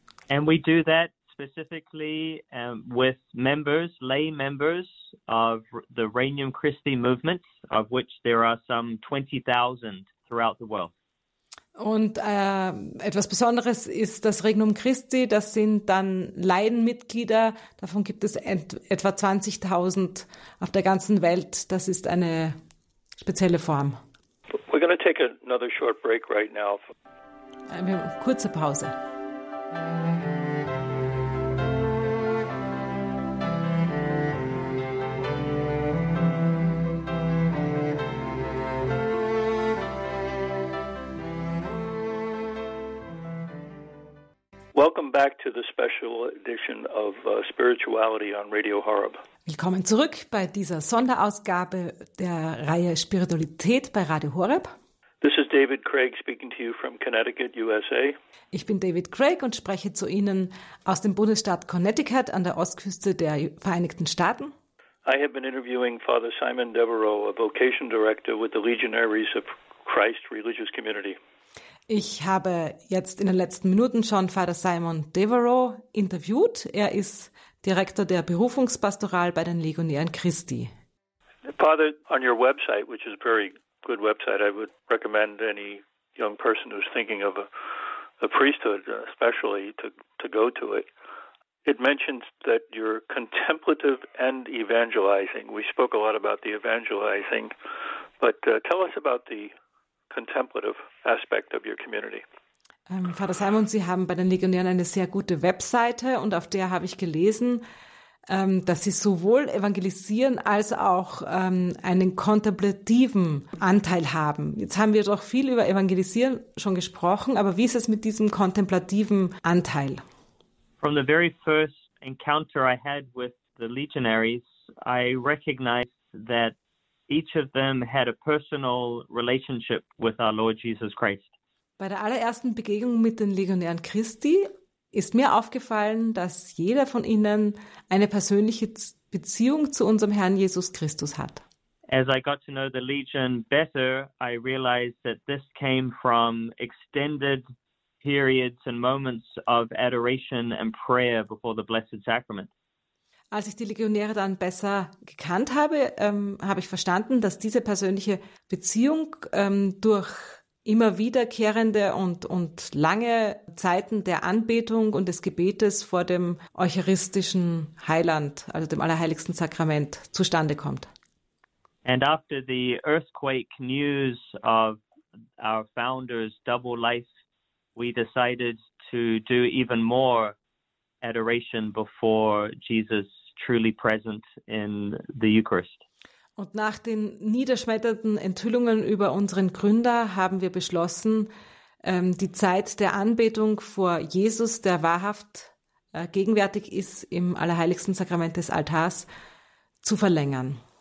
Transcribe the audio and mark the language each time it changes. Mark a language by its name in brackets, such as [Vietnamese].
[English] And we do that specifically with members, lay members of the Regnum Christi movement, of which there are some 20,000 throughout the world. [German] Und etwas Besonderes ist das Regnum Christi, das sind dann Laienmitglieder, davon gibt es etwa 20.000 auf der ganzen Welt, das ist eine spezielle Form. [English] We're going to take another short break right now. [German] Wir haben eine kurze Pause. [English] Welcome back to the special edition of Spirituality on Radio Horeb. [German] Willkommen zurück bei dieser Sonderausgabe der Reihe Spiritualität bei Radio Horeb. [English] This is David Craig speaking to you from Connecticut, USA. [German] Ich bin David Craig und spreche zu Ihnen aus dem Bundesstaat Connecticut an der Ostküste der Vereinigten Staaten. [English] I have been interviewing Father Simon Devereaux, a vocation director with the Legionaries of Christ Religious Community. [German] Ich habe jetzt in den letzten Minuten schon Father Simon Devereaux interviewt. Er ist Direktor der Berufungspastoral bei den Legionären Christi. [English] Father, on your website, which is a very good website, I would recommend any young person who's thinking of a priesthood, especially to go to it. It mentions that you're contemplative and evangelizing. We spoke a lot about the evangelizing, but tell us about the contemplative aspect of your community. [German] Father Simon, Sie haben bei den Legionären eine sehr gute Webseite und auf der habe ich gelesen, dass Sie sowohl evangelisieren als auch einen kontemplativen Anteil haben. Jetzt haben wir doch viel über Evangelisieren schon gesprochen, aber wie ist es mit diesem kontemplativen Anteil? [English] From the very first encounter I had with the legionaries, I recognized that each of them had a personal relationship with our Lord Jesus Christ. [German] Bei der allerersten Begegnung mit den Legionären Christi ist mir aufgefallen, dass jeder von ihnen eine persönliche Beziehung zu unserem Herrn Jesus Christus hat. [English] As I got to know the Legion better, I realized that this came from extended periods and moments of adoration and prayer before the Blessed Sacrament. [German] Als ich die Legionäre dann besser gekannt habe, habe ich verstanden, dass diese persönliche Beziehung durch immer wiederkehrende und lange Zeiten der Anbetung und des Gebetes vor dem eucharistischen Heiland, also dem Allerheiligsten Sakrament, zustande kommt. [English] And after the earthquake news of our founder's double life, we decided to do even more adoration before Jesus truly present in the Eucharist. [German] Und nach den niederschmetternden Enthüllungen über unseren Gründer haben wir beschlossen, die Zeit der Anbetung vor Jesus, der wahrhaft gegenwärtig ist im Allerheiligsten Sakrament des Altars, zu verlängern.